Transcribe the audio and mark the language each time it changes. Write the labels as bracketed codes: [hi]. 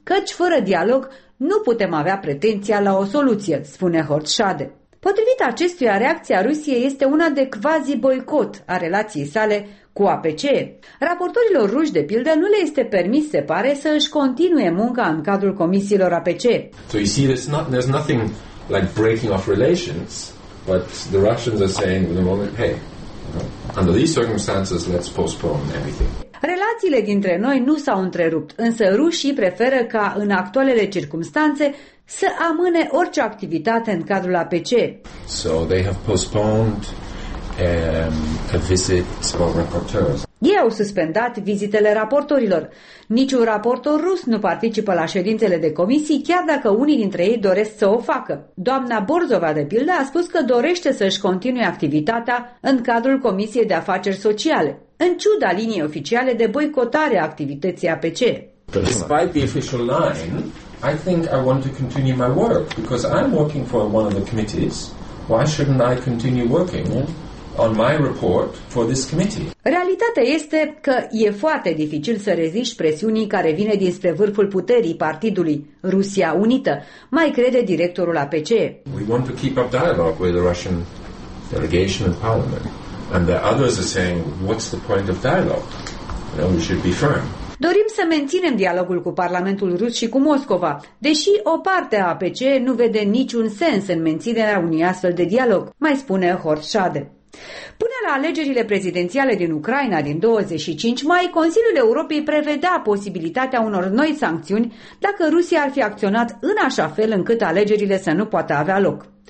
[ro] Căci fără dialog nu putem avea pretenția la o soluție, spune Horșade. Potrivit acestuia, reacția Rusiei este una de quasi-boicot a relației sale cu APC. Raportorilor ruși, de pildă, nu le este permis, se pare, să își continue munca în cadrul comisiilor APC. [en] So you see, there's nothing like breaking off relations, but the Russians are saying at the moment, hey, under these circumstances, let's postpone everything. [ro] Relațiile dintre noi nu s-au întrerupt, însă rușii preferă ca, în actualele circumstanțe, să amâne orice activitate în cadrul APC. [en] So they have postponed a visit for reporters. [ro] Ei au suspendat vizitele raportorilor. Niciun raportor rus nu participă la ședințele de comisii, chiar dacă unii dintre ei doresc să o facă. Doamna Borzova, de pildă, a spus că dorește să-și continue activitatea în cadrul Comisiei de Afaceri Sociale, în ciuda liniei oficiale de boicotare a activității APC. [en] Despite the official line, I think I want to continue my work because I'm working for one of the committees. Why shouldn't I continue working on my report for this committee? [ro] Realitatea este că e foarte dificil să reziști presiunii care vine dinspre vârful puterii partidului, Rusia Unită, mai crede directorul APC. [en] We want to keep up dialogue with the Russian delegation and parliament, and the others are saying, what's the point of dialogue? You know, we should be firm. [ro] Dorim să menținem dialogul cu Parlamentul Rus și cu Moscova, deși o parte a APC nu vede niciun sens în menținerea unui astfel de dialog, mai spune Horșade. Până la alegerile prezidențiale din Ucraina din 25 mai, Consiliul Europei prevedea posibilitatea unor noi sancțiuni dacă Rusia ar fi acționat în așa fel încât alegerile să nu poată avea loc.